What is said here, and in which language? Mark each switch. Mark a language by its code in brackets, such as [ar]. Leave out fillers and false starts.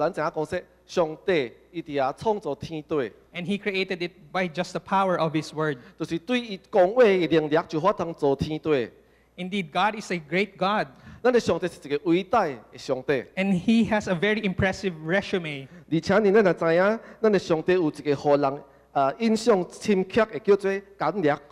[nan] 在创世纪第一章，让咱知影讲说，上帝伊伫啊创造天地。 [en] And he created it by just the power of his word. [nan] 就是对伊讲话的能力，就发通做天地。 [en] Indeed, God is a great God. [nan] 咱的上帝是一个伟大的上帝。 [en] And he has a very impressive resume. [nan] 而且你咱也知影，咱的上帝有一个予人印象深刻的叫做能力。